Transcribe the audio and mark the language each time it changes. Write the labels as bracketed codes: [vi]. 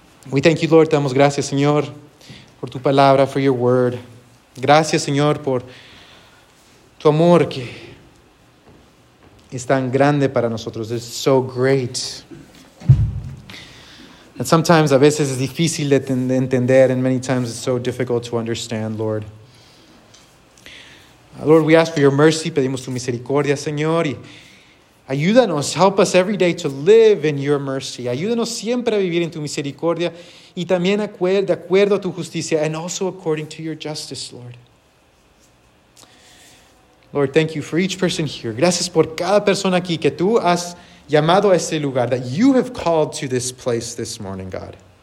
[en] We thank you, Lord. [es] Te damos gracias, Señor, por tu palabra, [en] for your word. [es] Gracias, Señor, por tu amor que es tan grande para nosotros. [en] It's so great. And sometimes, [es] a veces, es difícil de entender, [en] and many times it's so difficult to understand, Lord. Lord, we ask for your mercy. [es] Pedimos tu misericordia, Señor, y [en] ayúdanos, help us every day to live in your mercy. [es] Ayúdanos siempre a vivir en tu misericordia y también de acuerdo a tu justicia, [en] and also according to your justice, Lord. Lord, thank you for each person here. [es] Gracias por cada persona aquí que tú has llamado a este lugar, [en] that you have called to this place this morning, God.